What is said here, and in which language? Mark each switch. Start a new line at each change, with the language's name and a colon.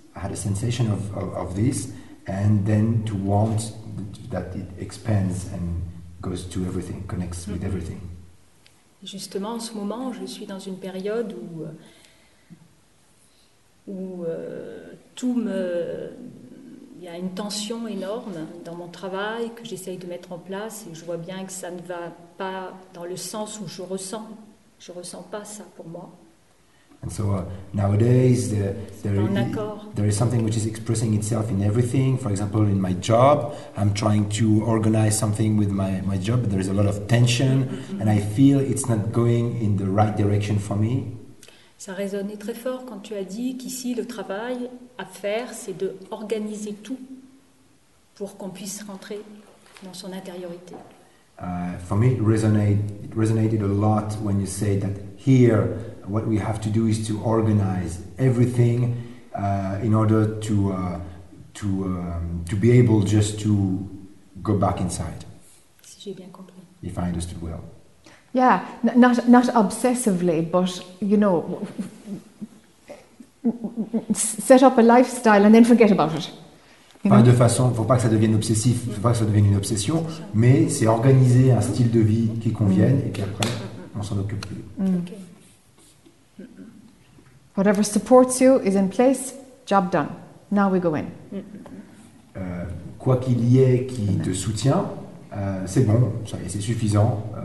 English: I had a sensation of this, and then to want that it expands and goes to everything, connects mm-hmm. with everything.
French: Justement, en ce moment, je suis dans une période où tout me il y a une tension énorme dans mon travail que j'essaye de mettre en place et je vois bien que ça ne va pas dans le sens où je ressens. Je ne ressens pas ça pour moi.
English: And so nowadays there is something which is expressing itself in everything. For example, in my job, I'm trying to organize something with my job, but there is a lot of tension mm-hmm. and I feel it's not going in the right direction for me.
French: Ça résonnait très fort quand tu as dit qu'ici le travail à faire c'est de organiser tout pour qu'on puisse rentrer dans son intériorité.
English: For me, it resonated a lot when you say that here what we have to do is to organize everything in order to be able just to go back inside.
French: Si j'ai bien compris.
English: If I understood well. Yeah, not obsessively, but, you know, set up a lifestyle and then forget about it.
French: Enfin, de façon, faut pas que ça devienne obsessif, faut pas que ça devienne une obsession, mais c'est organiser un style de vie qui convienne et qu'après, on s'en occupe plus. Mm.
English: Whatever supports you is in place, job done. Now we go in.
French: Quoi qu'il y ait qui te soutient, c'est bon, c'est suffisant.